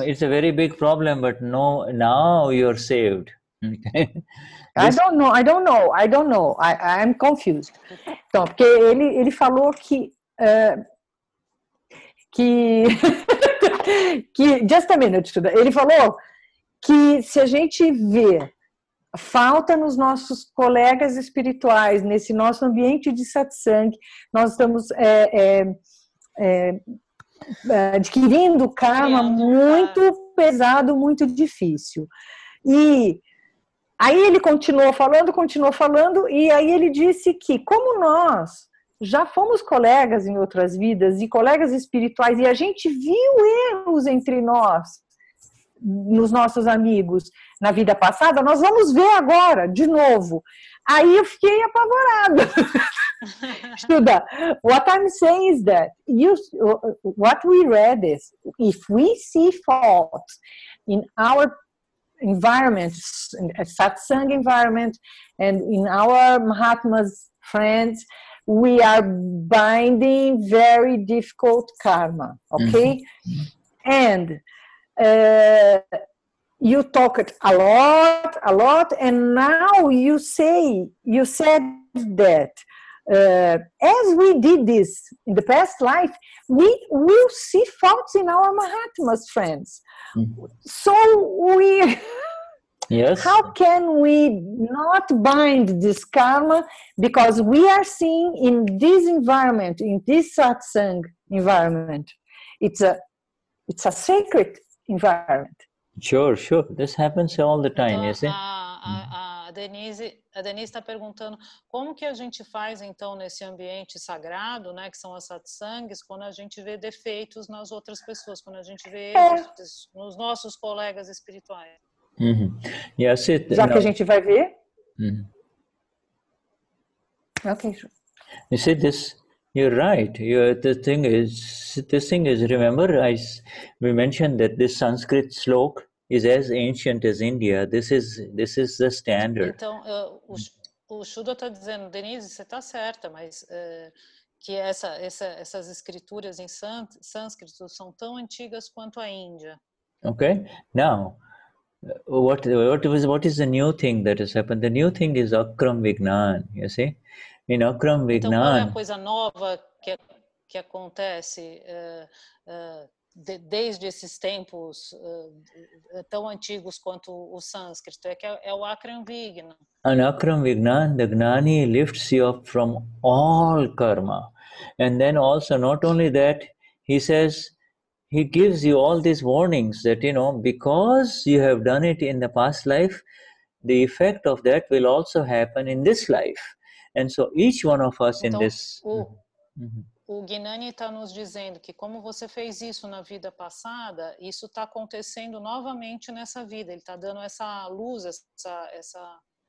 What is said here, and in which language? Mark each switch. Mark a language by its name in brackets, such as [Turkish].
[English] It's a very big problem, but no, now you're saved. Okay. I don't know. I'm confused. [Portuguese] Então, porque ele falou que que [English] just a minute, [Portuguese] Shuddha. Ele falou que se a gente vê falta nos nossos colegas espirituais, nesse nosso ambiente de satsang, nós estamos adquirindo karma muito pesado, muito difícil. E aí ele continuou falando, e aí ele disse que como nós já fomos colegas em outras vidas e colegas espirituais, e a gente viu erros entre nós, nos nossos amigos, na vida passada, nós vamos ver agora, de novo. Aí eu fiquei apavorada. [English] Shuddha, what I'm saying is that what we read is, if we see faults in our environment, in a satsang environment, and in our Mahatma's friends, we are binding very difficult karma, okay? Mm-hmm. And you talked a lot, and now you said that as we did this in the past life, we will see faults in our Mahatma's friends. Mm-hmm. So we, yes, how can we not bind this karma, because we are seeing in this environment, in this satsang environment, it's a sacred environment. Sure. This happens all the time, you see. [Portuguese] A Denise está perguntando como que a gente faz então nesse ambiente sagrado, né, que são as satsangs, quando a gente vê defeitos nas outras pessoas, quando a gente vê erros nos nossos colegas espirituais. [English] Uhum. Yes, it, [Portuguese] já no. Que a gente vai ver. Uhum. [English] Okay, sure. You see this? You're right. The thing is, remember, we mentioned that this Sanskrit slok is as ancient as India. This is the standard. [Portuguese] Então, o Shuddha está dizendo, Denise, você está certa, mas que essas escrituras em sânscrito são tão antigas quanto a Índia. [English] Okay. Now, what is the new thing that has happened? The new thing is Akram Vignan, you see? In Akram Vignan. [Portuguese] Então, qual é a coisa nova que acontece desde esses tempos tão antigos quanto o sânscrito? É que é o Akram Vignan. [English] An Akram Vignan, the Gnani lifts you up from all karma. And then also, not only that, he says, he gives you all these warnings that, you know, because you have done it in the past life, the effect of that will also happen in this life. And so each one of us in this. [Portuguese] O Gnani está nos dizendo que como você fez isso na vida passada, isso está acontecendo novamente nessa vida. Ele está dando essa luz, essa